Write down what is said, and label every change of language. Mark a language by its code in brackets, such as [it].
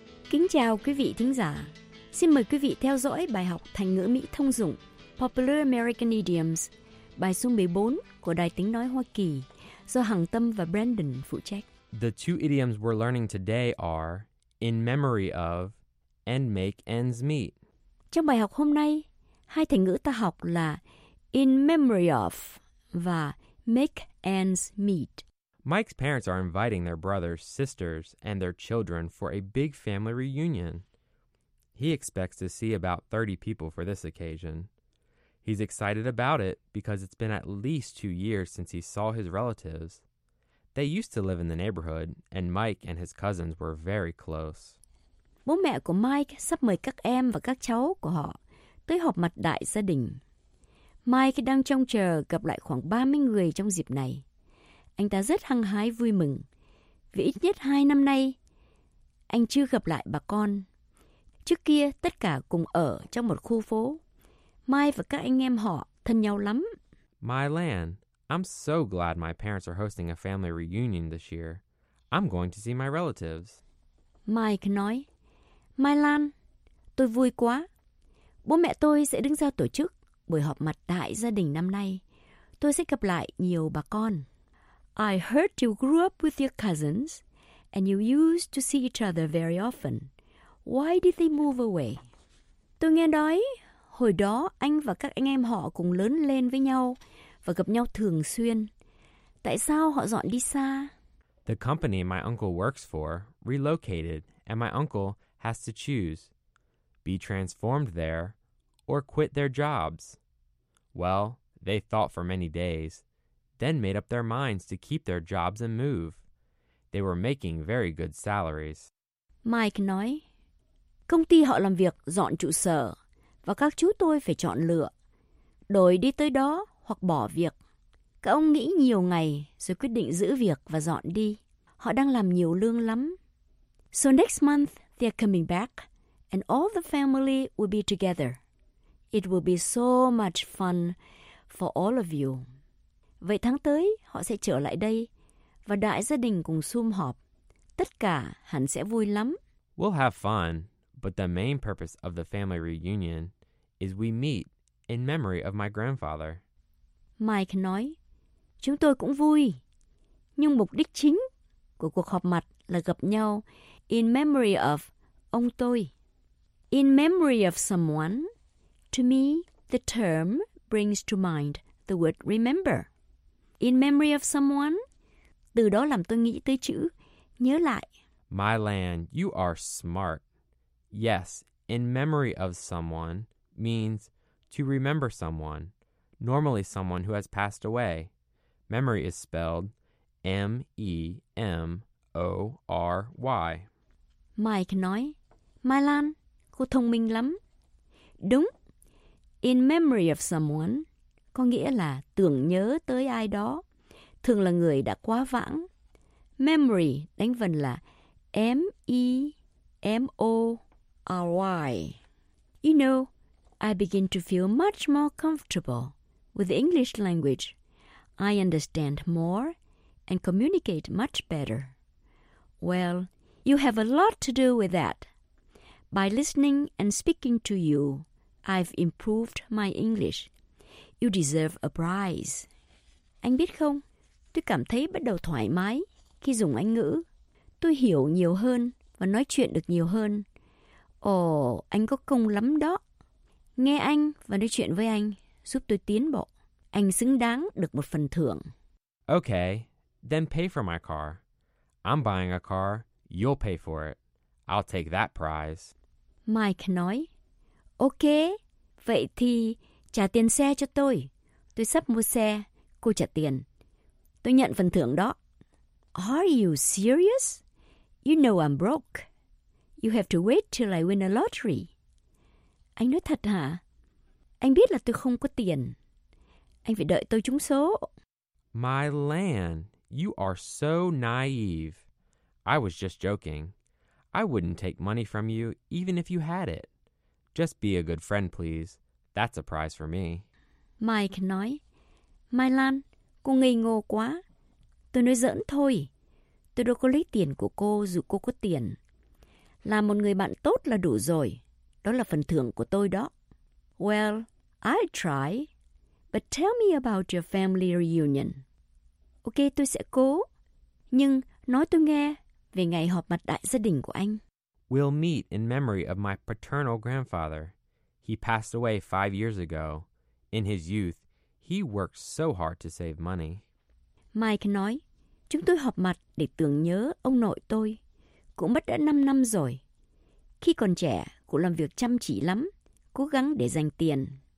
[vi] Kính chào quý vị thính giả. Xin mời quý vị theo dõi bài học thành ngữ Mỹ thông dụng [en] Popular American Idioms, [vi] bài số 14 của Đài Tiếng Nói Hoa Kỳ. So Hằng Tâm và Brandon phụ trách. [en] The two idioms we're learning today are in memory of and make ends meet. [vi] Trong bài học hôm nay, hai thành ngữ ta học là [en] in memory of [vi] và [en] make ends meet. Mike's parents are inviting their brothers, sisters, and their children for a big family reunion. He expects to see about 30 people for this occasion. He's excited about it because it's been at least 2 years since he saw his relatives. They used to live in the neighborhood, and Mike and his cousins were very close. [vi] Bố mẹ của Mike sắp mời các em và các cháu của họ tới họp mặt đại gia đình. Mike đang trông chờ gặp lại khoảng 30 người trong dịp này. Anh ta rất hăng hái vui mừng, vì ít nhất 2 năm nay, anh chưa gặp lại bà con. Trước kia, tất cả cùng ở trong một khu phố. Mai và các anh em họ thân nhau lắm. [en] My land, I'm so glad my parents are hosting a family reunion this year. I'm going to see my relatives. [vi] Mike nói, My Lan, tôi vui quá. Bố mẹ tôi sẽ đứng ra tổ chức buổi họp mặt đại gia đình năm nay. Tôi sẽ gặp lại nhiều bà con. [en] I heard you grew up with your cousins, and you used to see each other very often. Why did they move away? [vi] Tôi nghe nói, hồi đó anh và các anh em họ cùng lớn lên với nhau và gặp nhau thường xuyên. Tại sao họ dọn đi xa? [en] The company my uncle works for relocated, and my uncle has to choose. Be transformed there, or quit their jobs. Well, they thought for many days. Then made up their minds to keep their jobs and move. They were making very good salaries. [vi] Mike nói, công ty họ làm việc dọn trụ sở và các chú tôi phải chọn lựa, đổi đi tới đó hoặc bỏ việc. Các ông nghĩ nhiều ngày rồi quyết định giữ việc và dọn đi. Họ đang làm nhiều lương lắm. [en] So next month they're coming back and all the family will be together. It will be so much fun for all of you. [vi] Vậy tháng tới, họ sẽ trở lại đây và đại gia đình cùng sum họp. Tất cả hẳn sẽ vui lắm. [en] We'll have fun, but the main purpose of the family reunion is we meet in memory of my grandfather. [vi] Mike nói, chúng tôi cũng vui. Nhưng mục đích chính của cuộc họp mặt là gặp nhau [en] in memory of [vi] ông tôi. [en] In memory of someone, to me, the term brings to mind the word remember. In memory of someone, [vi] từ đó làm tôi nghĩ tới chữ nhớ lại. [en] My land, you are smart. Yes, in memory of someone means to remember someone, normally someone who has passed away. Memory is spelled M-E-M-O-R-Y. [vi] Mike nói, My land, cô thông minh lắm. Đúng, [en] in memory of someone [vi] có nghĩa là tưởng nhớ tới ai đó, thường là người đã quá vãng. Memory đánh vần là M-E-M-O-R-Y. [en] You know, I begin to feel much more comfortable with the English language. I understand more and communicate much better. Well, you have a lot to do with that. By listening and speaking to you, I've improved my English. You deserve a prize. [vi] Anh biết không, tôi cảm thấy bắt đầu thoải mái khi dùng Anh ngữ. Tôi hiểu nhiều hơn và nói chuyện được nhiều hơn. Ồ, anh có công lắm đó. Nghe anh và nói chuyện với anh giúp tôi tiến bộ. Anh xứng đáng được một phần thưởng. [en] Okay, then pay for my car. I'm buying a car, you'll pay for it. I'll take that prize. [vi] Mike nói, okay, vậy thì trả tiền xe cho tôi. Tôi sắp mua xe, cô trả tiền. Tôi nhận phần thưởng đó. [en] Are you serious? You know I'm broke. You have to wait till I win a lottery. [vi] Anh nói thật hả? Anh biết là tôi không có tiền. Anh phải đợi tôi trúng số. [en] My land, you are so naive. I was just joking. I wouldn't take money from you even if you had it. Just be a good friend, please. That's a prize for me. [vi] Mike nói, Mai Lan, cô ngây ngô quá. Tôi nói giỡn thôi. Tôi đâu có lấy tiền của cô dù cô có tiền. Làm một người bạn tốt là đủ rồi. Đó là phần thưởng của tôi đó. [en] Well, I try. But tell me about your family reunion. [vi] Ok, tôi sẽ cố. Nhưng nói tôi nghe về ngày họp mặt đại gia đình của anh. [en] We'll meet in memory of my paternal grandfather. He passed away 5 years ago. In his youth, he worked so hard to save money. [vi] Mike nói, chúng tôi họp mặt để tưởng nhớ ông nội tôi. Cũng mất đã 5 năm rồi. Khi còn trẻ, cụ làm việc chăm chỉ lắm, cố gắng để dành tiền.